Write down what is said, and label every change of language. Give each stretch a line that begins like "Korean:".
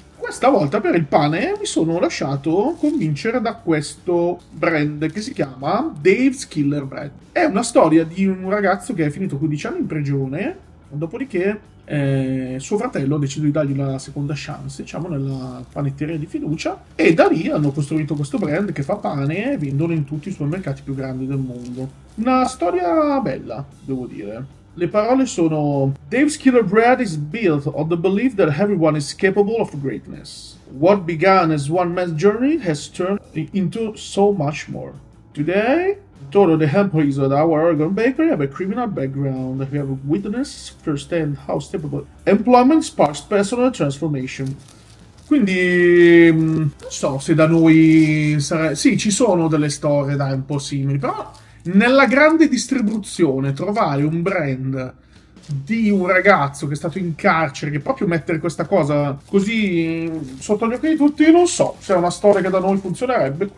Italian: Questa volta per il pane mi sono lasciato convincere da questo brand che si chiama Dave's Killer Bread. È una storia di un ragazzo che è finito 15 anni in prigione Dopodiché suo fratello ha deciso di dargli una seconda chance, diciamo, nella panetteria di fiducia, e da lì hanno costruito questo brand che fa pane e vendono in tutti i supermercati più grandi del mondo. Una storia bella, devo dire. Le parole sono:
English: Dave's Killer Bread is built on the belief that everyone is capable of greatness. What began as one man's journey has turned into so much more. Today, all of the employees at our Oregon bakery have a criminal background. We have witnessed firsthand how stable employment sparks personal transformation.
Italian: Quindi, non so se da noi sì, ci sono delle storie da un po' simili, però nella grande distribuzione trovare un brand di un ragazzo che è stato in carcere, che proprio mettere questa cosa così sotto gli occhi di tutti, non so se è una storia che da noi funzionerebbe.